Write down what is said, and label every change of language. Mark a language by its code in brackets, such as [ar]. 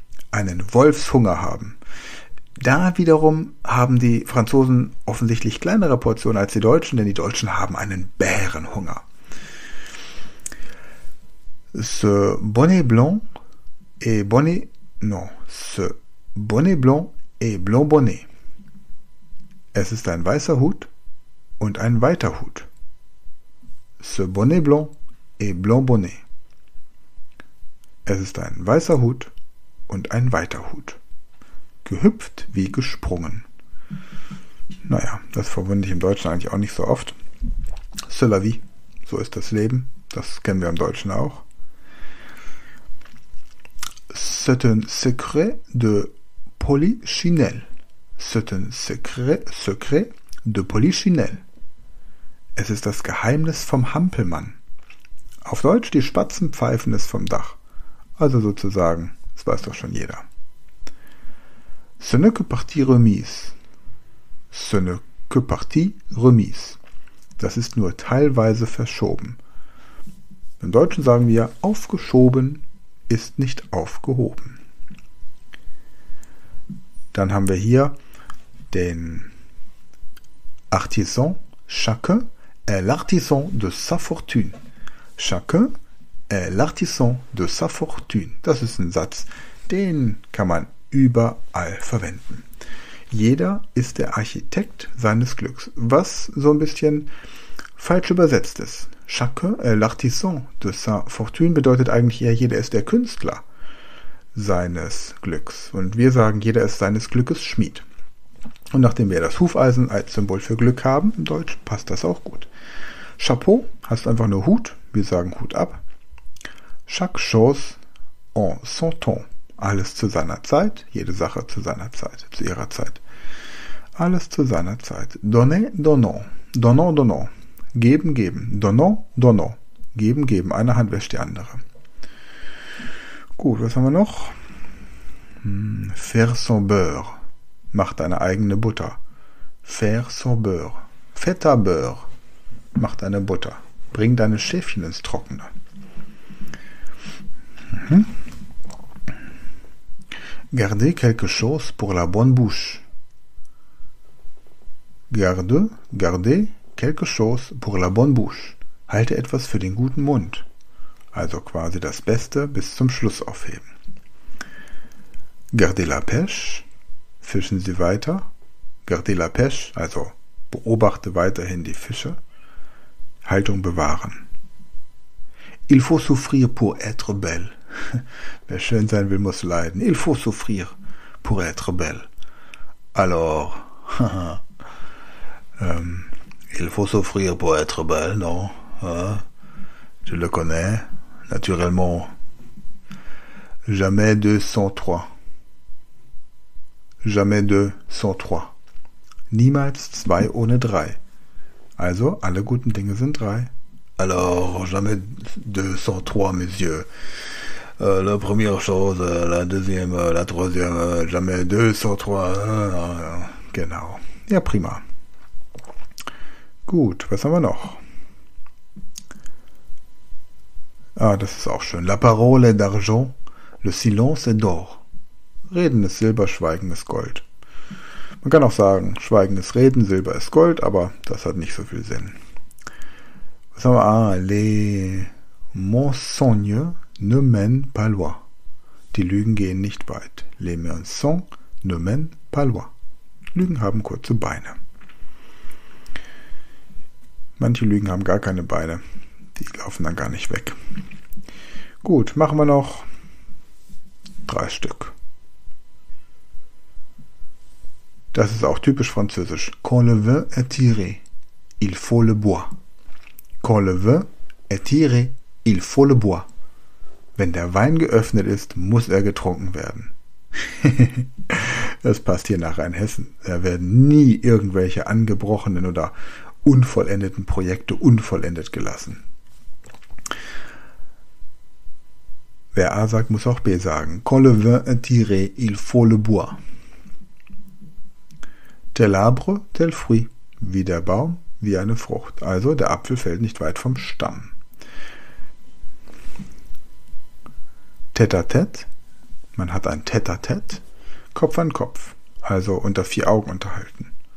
[de] Einen Wolfshunger haben. Da wiederum haben die Franzosen offensichtlich kleinere Portionen als die Deutschen, denn die Deutschen haben einen Bärenhunger. [fr] Ce bonnet blanc est bonnet. Non, ce bonnet blanc est blanc bonnet. [de] Es ist ein weißer Hut und ein weiter Hut. [fr] Ce bonnet blanc est blanc bonnet. [de] Es ist ein weißer Hut und ein weiter Hut. Gehüpft wie gesprungen. Naja, das verwende ich im Deutschen eigentlich auch nicht so oft. [fr] C'est la vie. [de] So ist das Leben. Das kennen wir im Deutschen auch. [fr] C'est un secret de Polichinelle. C'est un secret de Polichinelle. [de] Es ist das Geheimnis vom Hampelmann. Auf Deutsch die Spatzen pfeifen es vom Dach. Also sozusagen, das weiß doch schon jeder. [fr] Ce n'est que partie remise. Ce n'est que partie remise. [de] Das ist nur teilweise verschoben. Im Deutschen sagen wir, aufgeschoben ist nicht aufgehoben. Dann haben wir hier den Artisan. [fr] Chacun est l'artisan de sa fortune. Chacun L'artisan de sa fortune. [de] Das ist ein Satz, den kann man überall verwenden. Jeder ist der Architekt seines Glücks. Was so ein bisschen falsch übersetzt ist. [fr] L'artisan de sa fortune [de] bedeutet eigentlich eher, jeder ist der Künstler seines Glücks. Und wir sagen, jeder ist seines Glückes Schmied. Und nachdem wir das Hufeisen als Symbol für Glück haben, im Deutsch passt das auch gut. Chapeau heißt einfach nur Hut. Wir sagen Hut ab. [fr] Chaque chose en son temps. [de] Alles zu seiner Zeit. Jede Sache zu seiner Zeit. Zu ihrer Zeit. Alles zu seiner Zeit. [fr] Donner, donnant. Donnant, donnant. [de] Geben, geben. [fr] Donnant, donnant. [de] Geben, geben. Eine Hand wäscht die andere. Gut, was haben wir noch? [fr] Faire son beurre. [de] Mach deine eigene Butter. [fr] Faire son beurre. Fait ta beurre. [de] Mach deine Butter. Bring deine Schäfchen ins Trockene. [fr] Garde quelque chose pour la bonne bouche. Garde quelque chose pour la bonne bouche. [de] Halte etwas für den guten Mund. Also quasi das Beste bis zum Schluss aufheben. [fr] Garde la pêche. [de] Fischen Sie weiter. [fr] Garde la pêche. [de] Also beobachte weiterhin die Fische. Haltung bewahren. [fr] Il faut souffrir pour être belle. [de] Wer schön sein will, muss leiden. [fr] Il faut souffrir pour être belle. Alors, il faut souffrir pour être belle, non? Tu le connais, naturellement. Jamais 203. Jamais 203. [de] Niemals 2 ohne 3. Also, alle guten Dinge sind 3. [fr] Alors, jamais 203, messieurs. La première chose, la deuxième, la troisième, jamais 203. [de] Genau. Ja, prima. Gut, was haben wir noch? Ah, das ist auch schön. [fr] La parole est d'argent, le silence est d'or. [de] Reden ist Silber, Schweigen ist Gold. Man kann auch sagen, Schweigen ist Reden, Silber ist Gold, aber das hat nicht so viel Sinn. Was haben wir? [fr] Ah, les mensonges ne mènent pas loin. [de] Die Lügen gehen nicht weit. [fr] Les mensonges ne mènent pas loin. [de] Lügen haben kurze Beine. Manche Lügen haben gar keine Beine. Die laufen dann gar nicht weg. Gut, machen wir noch 3 Stück. Das ist auch typisch französisch. [fr] Quand le vin est tiré, il faut le boire. Quand le vin est tiré, il faut le boire. [de] Wenn der Wein geöffnet ist, muss er getrunken werden. Das passt hier nach Rheinhessen. Da werden nie irgendwelche angebrochenen oder unvollendeten Projekte unvollendet gelassen. Wer A sagt, muss auch B sagen. [fr] Quand le vin est tiré, il faut le boire. Tel arbre, tel fruit. [de] Wie der Baum, wie eine Frucht. Also, der Apfel fällt nicht weit vom Stamm. Tête-à-tête. Man hat ein Tête-à-tête. Kopf an Kopf. Also, unter 4 Augen unterhalten.